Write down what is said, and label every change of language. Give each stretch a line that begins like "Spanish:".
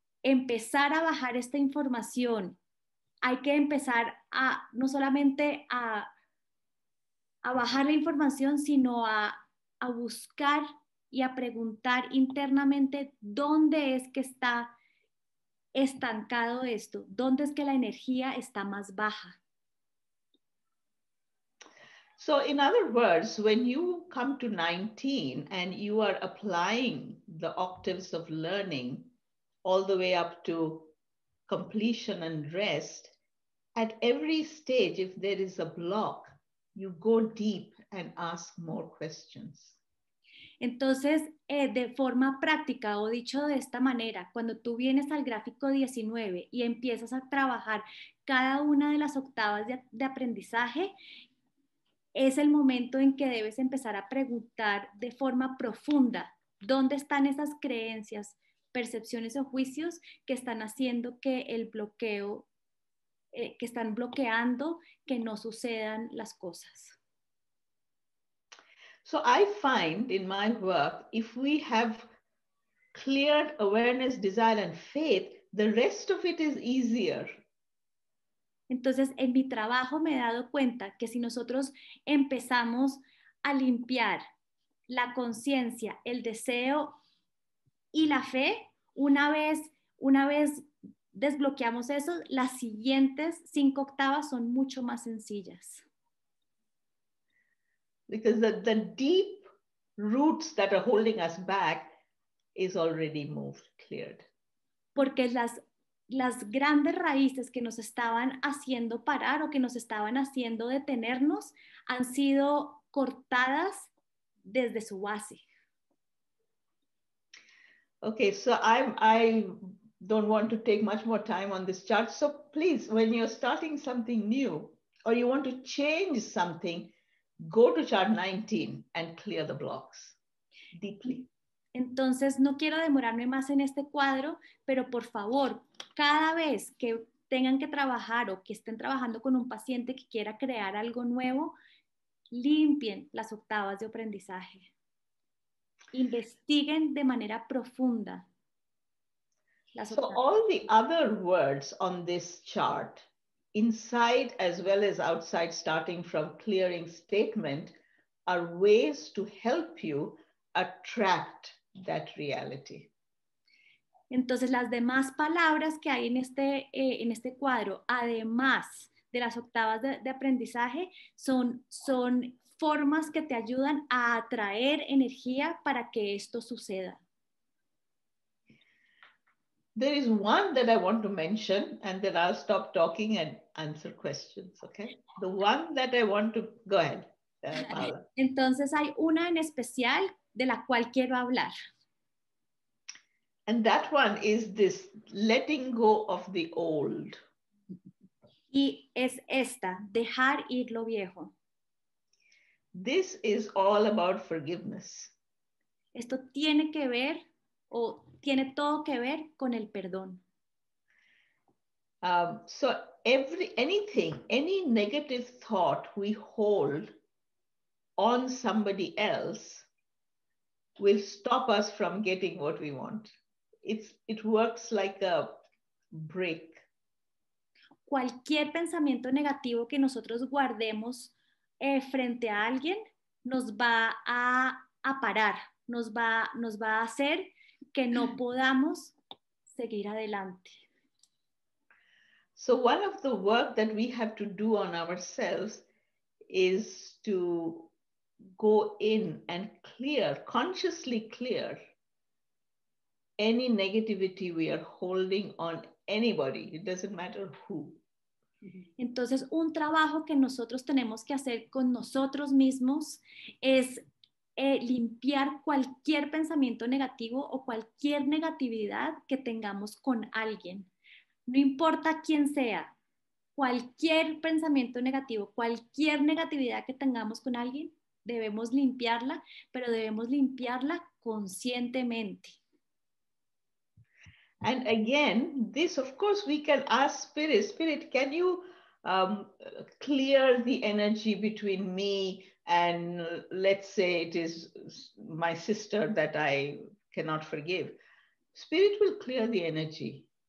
Spanish: empezar a bajar esta información. Hay que empezar a no solamente a bajar la información, sino a buscar y a preguntar internamente dónde es que está estancado esto, dónde es que la energía está más baja.
English: So in other words, when you come to 19 and you are applying the octaves of learning all the way up to completion and rest, at every stage, if there is a block, you go deep and ask more questions.
Spanish: Entonces, de forma práctica, o dicho de esta manera, cuando tú vienes al gráfico 19 y empiezas a trabajar cada una de las octavas de aprendizaje, es el momento en que debes empezar a preguntar de forma profunda dónde están esas creencias, percepciones o juicios que están haciendo que el bloqueo, que están bloqueando que no sucedan las cosas.
English: So I find in my work, if we have cleared awareness, desire and faith, the rest of it is easier.
Spanish: Entonces, en mi trabajo me he dado cuenta que si nosotros empezamos a limpiar la conciencia, el deseo y la fe, una vez desbloqueamos eso, las siguientes 5 octavas son mucho más sencillas.
English: Because the deep roots that are holding us back is already moved, cleared.
Spanish: Porque las grandes raíces que nos estaban haciendo parar o que nos estaban haciendo detenernos han sido cortadas desde su base.
English: Okay, so I don't want to take much more time on this chart. So please, when you're starting something new or you want to change something, go to chart 19 and clear the blocks deeply.
Spanish: Entonces, no quiero demorarme más en este cuadro, pero por favor, cada vez que tengan que trabajar o que estén trabajando con un paciente que quiera crear algo nuevo, limpien las octavas de aprendizaje. Investiguen de manera profunda las octavas.
English: So all the other words on this chart, inside as well as outside, starting from clearing statement, are ways to help you attract that reality.
Spanish: Entonces, las demás palabras que hay en este cuadro, además de las octavas de aprendizaje, son formas que te ayudan a atraer energía para que esto suceda.
English: There is one that I want to mention, and then I'll stop talking and answer questions, okay? The one that I want to... Go ahead, Paola.
Spanish: Entonces, hay una en especial de la cual quiero hablar.
English: And that one is this letting go of the old.
Spanish: Y es esta, dejar ir lo viejo.
English: This is all about forgiveness.
Spanish: Esto tiene que ver o tiene todo que ver con el perdón.
English: So any negative thought we hold on somebody else will stop us from getting what we want. It works like a brick.
Spanish: Cualquier pensamiento negativo que nosotros guardemos frente a alguien nos va a parar, nos va a hacer que no podamos seguir adelante.
English: So one of the work that we have to do on ourselves is to go in and clear, consciously clear, any negativity we are holding on anybody. It doesn't matter who.
Spanish: Entonces, un trabajo que nosotros tenemos que hacer con nosotros mismos es limpiar cualquier pensamiento negativo o cualquier negatividad que tengamos con alguien. No importa quién sea, cualquier pensamiento negativo, cualquier negatividad que tengamos con alguien, debemos limpiarla, pero debemos limpiarla conscientemente.
English: And again, this, of course, we can ask Spirit, can you clear the energy between me and let's say it is my sister that I cannot forgive? Spirit will clear the energy.